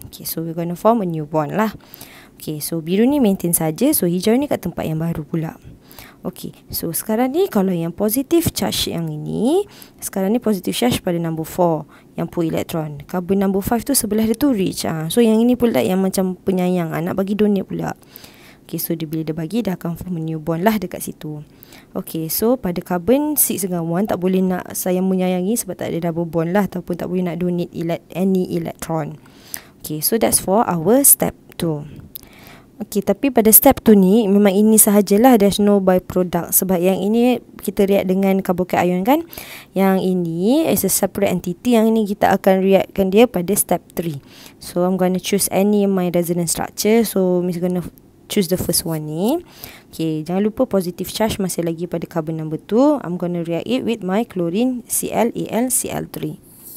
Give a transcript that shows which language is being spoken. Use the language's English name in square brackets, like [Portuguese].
[English] Okay, so we're going to form a new bond lah. [Malay] Okay, so biru ni maintain saja. So, hijau ni kat tempat yang baru pula. Okay, so sekarang ni kalau yang positive charge yang ini, sekarang ni positive charge pada number 4 yang poor electron. Carbon number 5 tu sebelah dia tu rich. So yang ini pula yang macam penyayang, nak bagi donate pula. Okay, so dia bila dia bagi, dia akan form a new bond lah dekat situ. Okay, so pada carbon 6 dengan 1 tak boleh nak saya menyayangi sebab tak ada double bond lah, ataupun tak boleh nak donate any electron. [English] Okay, so that's for our step 2. Okay, [Malay] tapi pada step 2 ni, memang ini sahajalah, [English] there's no byproduct. [Malay] Sebab yang ini kita react dengan karbukat ion kan. Yang ini [English] is a separate entity. [Malay] Yang ini kita akan reactkan dia pada step 3. [English] So, I'm going to choose any my resonance structure. So, Miss going to choose the first one ni. [Malay] Okay, jangan lupa positive charge masih lagi pada carbon number 2. [English] I'm going to react it with my chlorine ClAlCl3.